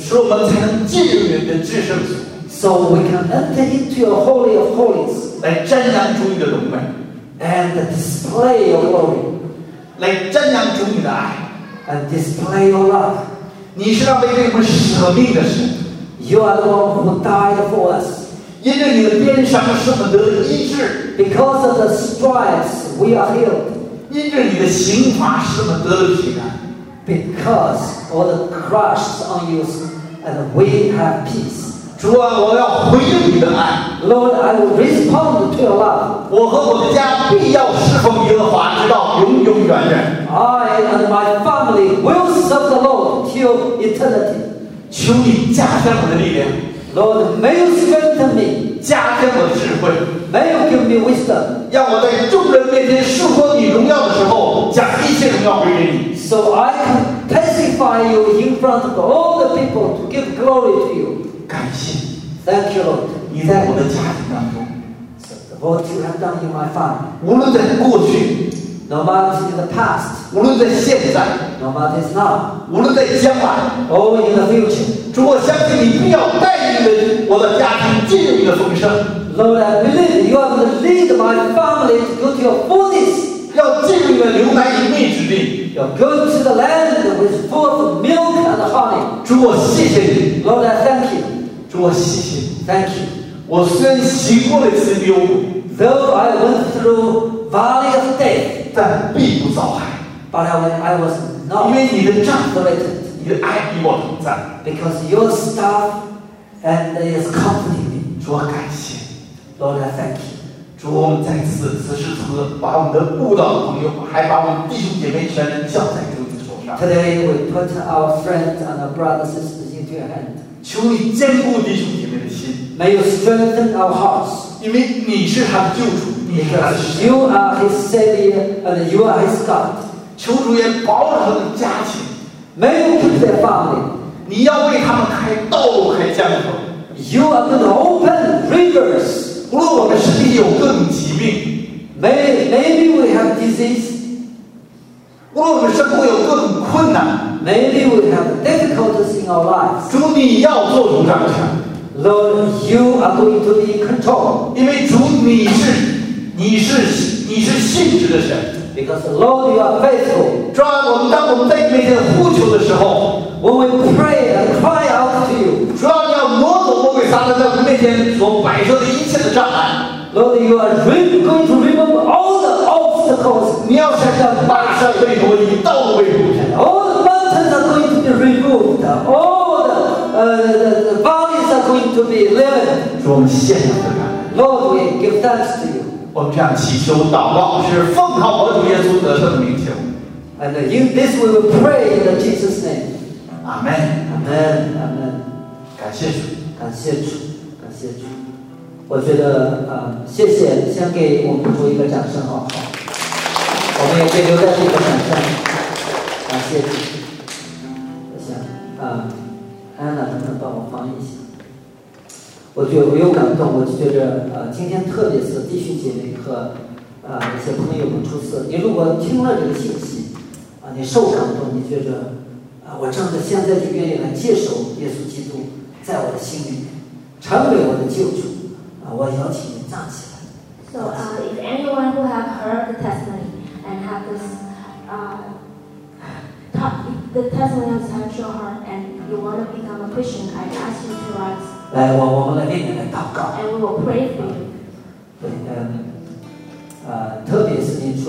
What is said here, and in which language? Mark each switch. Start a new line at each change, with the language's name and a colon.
Chinese: 使我们才能进入你的至圣所。
English: So we can enter into your holy of holies.
Chinese: 来瞻仰主你的荣美。
English: And display your glory.
Chinese: 来瞻仰主你的爱
English: ，and display your love。
Chinese: 你是那位为我们舍命的神
English: ，you are the one who died for us。
Chinese: 因为你的鞭伤使我们得医治
English: ，because of the stripes we are healed。
Chinese: 因为你的刑罚使我们得了平安
English: ，because of the crushes on you and we have peace。
Chinese: 主啊，我要回应你的爱
English: ，Lord, I will respond to your love。
Chinese: 我和我的家必要侍奉耶和华，直到永永远远。
English: I and my family will serve the Lord till eternity。
Chinese: 求你加添我的力量
English: ，Lord, may you strengthen me。
Chinese: 加添我的智慧
English: ，May you give me wisdom。
Chinese: 让我在众人面前述说你荣耀的时候，将一切荣耀归给你。
English: So I can testify you in front of all the people to give glory to you。
Chinese: 感谢
English: ，Thank you，
Chinese: 你在我的家庭当中
English: ，What you have done in my family，
Chinese: 无论在过去
English: ，No matter in the past，
Chinese: 无论在现在
English: ，No matter now，
Chinese: 无论在将来
English: ，All in the future，
Chinese: 主，我相信你必要带领我的家庭进入你的丰盛
English: ，Lord， I believe you are going to lead my family to your fullness，
Chinese: 要进入你的牛奶与蜜之地
English: ，You're going to the land which is full of milk and honey，
Chinese: 主，我谢谢你
English: ，Lord， I thank you。
Chinese: 主，我谢谢你
English: ，Thank you。
Chinese: 我虽然行过了一次幽谷
English: ，Though I went through valley of death，
Chinese: 但并不遭害
English: ，But I was not。
Chinese: 因为你的杖和你的爱与我同在
English: ，Because your staff and is comforting me。
Chinese: 主，我感谢
English: ，Lord, I thank you。
Chinese: 主，我们在此此时此刻，把我们的慕道的朋友，还把我们弟兄姐妹全人交在主的手上。
English: Today we put our friends and our brothers and sisters into your hand。
Chinese: 求你坚固弟兄姐妹的心
English: ，May you strengthen our hearts，
Chinese: 因为你是他的救主，你是他的神。
English: You are his savior and you are his God。
Chinese: 求主也保守他的家庭
English: ，May you keep their family。
Chinese: 你要为他们开道路，开江河。
English: You are going to open rivers。
Chinese: 无论我们身体有各种疾病
English: ，Maybe we have disease。
Chinese: 无论我们生活有各种困难。
English: Maybe we have difficulties in our lives.
Chinese: 主，你要做主掌权。
English: Lord, you are going to be in control.
Chinese: 因为主，你是信实的神。
English: Because Lord, you are faithful.
Chinese: 主啊，当我们在你面前呼求的时候
English: ，When we pray and cry out to you.
Chinese: 主啊，你要挪走魔鬼撒旦在我们面前所摆设的一切的障碍。
English: Lord, you are going to remove all the obstacles.
Chinese: 你要使这巴山被挪移，道路被铺平。
English: The bodies are going to be living.
Chinese: 主，我们谢谢你的感恩。
English: Lord, we give thanks to you.
Chinese: 我们这样祈求祷告，是奉靠我主耶稣得胜的名求。
English: And in this we will pray in the Jesus' name. Amen. Amen. Amen.
Chinese: 感谢主，感谢主，感谢主。我觉得谢谢，先给我们主一个掌声好不好？我们也可以留在这个掌声。感谢主。安娜能不能帮我翻译一下？我觉得我有感动，我觉得今天特别是弟兄姐妹和一些朋友们出色。你如果听了这个信息你受感动，你觉得我正在现在就愿意来接受耶稣基督在我的心里面，成为我的救主我邀请你站起来。
English: So, if anyone who have heard the testimony and have this talk, the testimony of your heart, and you want to become a Christian, I ask you to rise.